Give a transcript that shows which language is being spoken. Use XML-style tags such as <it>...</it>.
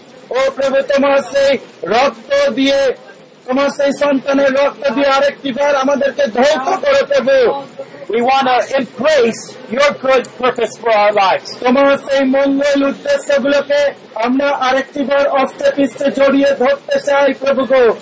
<bn>ও প্রভু, তোমার সেই রক্ত দিয়ে, তোমার সেই সন্তানের রক্ত দিয়ে আরেকটি বার আমাদেরকে ধৌত করো প্রভু।</bn> <en>We want to embrace your good purpose for our lives.</en> <bn>তোমার সেই মঙ্গল উদ্দেশ্যগুলোকে আমরা আরেকটি বার অস্তে পিস্তে জড়িয়ে ধরতে চাই প্রভু গো।</bn>